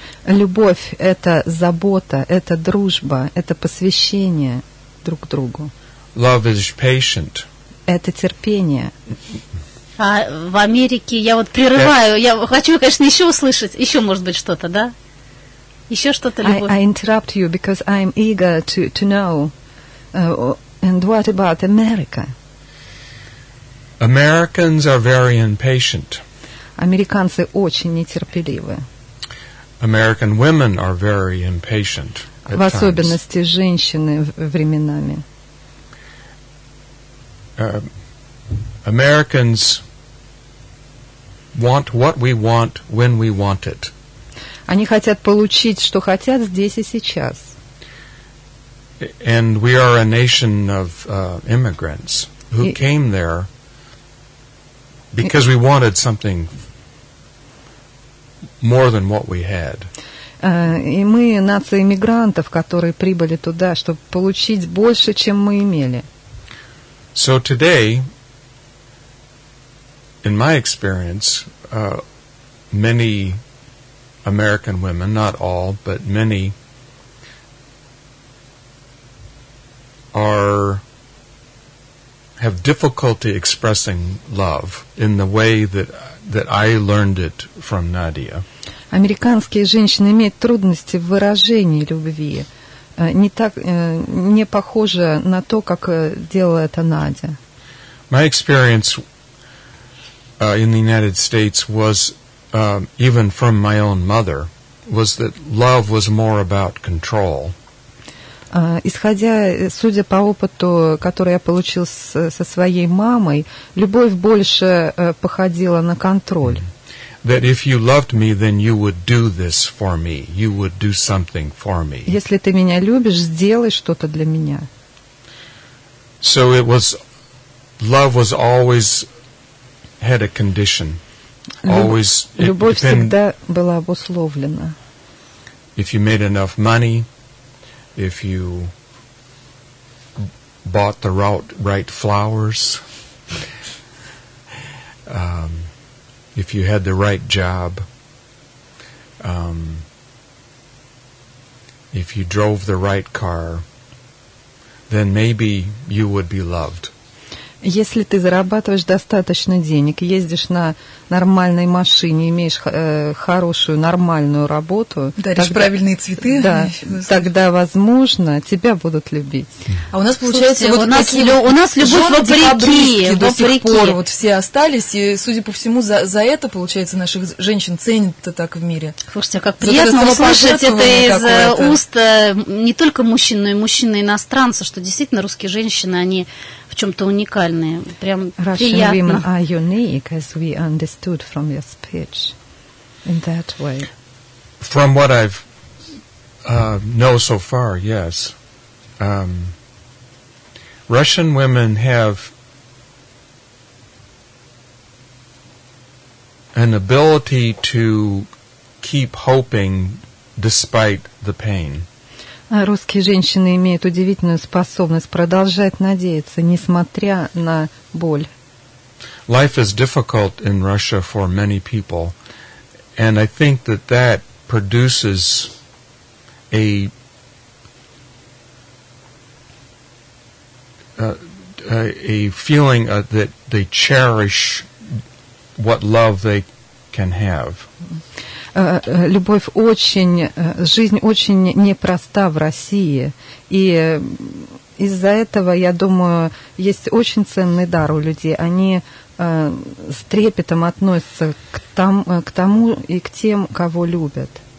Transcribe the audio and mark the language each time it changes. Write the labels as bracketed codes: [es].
[ru] Любовь – это забота, это дружба, это посвящение друг другу. [en] Love is patient. [ru] Это терпение. А в Америке, я вот прерываю, я хочу, конечно, еще услышать, еще, может быть, что-то, да? Еще что-то, любовь? [en] I interrupt you because I'm eager to know. And what about America? Americans are very impatient. [ru] Американцы очень нетерпеливы. [en] American women are very impatient at times. [ru] В особенности женщины временами. [en] Americans want what we want when we want it. [ru] Они хотят получить, что хотят, здесь и сейчас. [en] And we are a nation of immigrants who came there because we wanted something more than what we had. [ru] И мы нация иммигрантов, которые прибыли туда, чтобы получить больше, чем мы имели. [en] So today, in my experience, many American women, not all, but many, have difficulty expressing love in the way that I learned it from Nadia. [ru] Американские женщины имеют трудности в выражении любви. Не так, не похоже на то, как делала это Надя. [en] My experience in the United States was, even from my own mother, was that love was more about control. [ru] Исходя, судя по опыту, который я получил со своей мамой, любовь больше походила на контроль. [en] That if you loved me, then you would do this for me. You would do something for me. [ru] Если ты меня любишь, сделай что-то для меня. [en] So it was, love was always had a condition. Always, [ru] любовь всегда была обусловлена. [en] If you made enough money, if you bought the right flowers, if you had the right job, if you drove the right car, then maybe you would be loved. [ru] Если ты зарабатываешь достаточно денег, ездишь на нормальной машине, имеешь хорошую, нормальную работу... Даришь тогда, правильные цветы. Да, тогда, возможно, тебя будут любить. А у нас, получается, слушайте, вот у нас любовь вопреки. До сих пор вот все остались, и, судя по всему, за это, получается, наших женщин ценят-то так в мире. Слушайте, как приятно услышать это из уст не только мужчин, но и мужчины-иностранцы, что действительно русские женщины, они... в чем-то уникальные, прям [en] Russian [ru] приятно. [en] Russian women are unique, as we understood from your speech, in that way. From what I've know so far, yes. Russian women have an ability to keep hoping despite the pain. [ru] Русские женщины имеют удивительную способность продолжать надеяться, несмотря на боль. [en] Life is difficult in Russia for many people, and I think that produces a feeling that they cherish what love they can have. [ru] Любовь очень, жизнь очень непроста в России, и из-за этого, я думаю, есть очень ценный дар у людей. Они с трепетом относятся к тому и к тем, кого любят.